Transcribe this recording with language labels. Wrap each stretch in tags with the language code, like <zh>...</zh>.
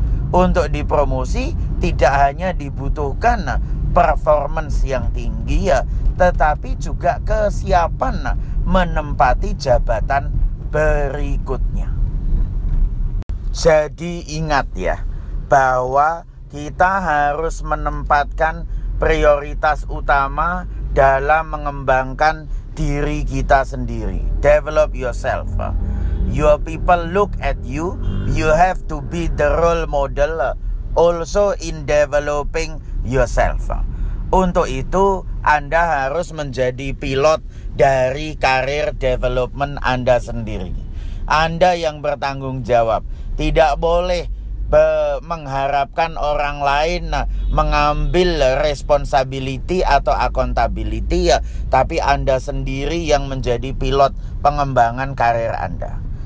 <id>Untuk dipromosi tidak hanya dibutuhkan performance yang tinggi ya, tetapi juga kesiapan menempati jabatan berikutnya. Jadi ingat ya, bahwa kita harus menempatkan prioritas utama dalam mengembangkan diri kita sendiri.</id> <en>Develop yourself. Your people look at you. You have to be the role model also in developing yourself.</en> <id>Untuk itu, Anda harus menjadi pilot dari career development Anda sendiri. Anda yang bertanggung jawab. Tidak boleh mengharapkan orang lain mengambil responsibility atau accountability ya, tapi Anda sendiri yang menjadi pilot pengembangan karir Anda.</id>